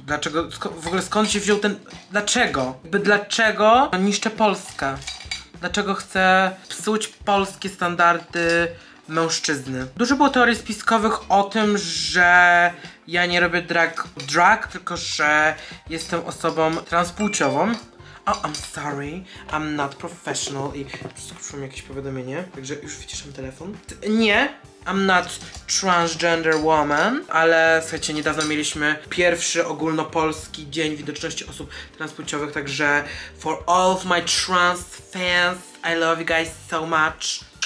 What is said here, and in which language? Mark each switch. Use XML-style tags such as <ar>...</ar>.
<pl>Dlaczego, w ogóle skąd się wziął ten... Dlaczego? Dlaczego niszczę Polskę? Dlaczego chcę psuć polskie standardy mężczyzny? Dużo było teorii spiskowych o tym, że ja nie robię drag, tylko że jestem osobą transpłciową.</pl> <en>Oh, I'm sorry, I'm not professional.</en> <pl>I przyszło mi jakieś powiadomienie, także już wyciszam telefon. Nie,</pl> <en>I'm not transgender woman,</en> <pl>ale słuchajcie, niedawno mieliśmy pierwszy ogólnopolski dzień widoczności osób transpłciowych, także</pl> <en>for all of my trans fans, I love you guys so much.</en>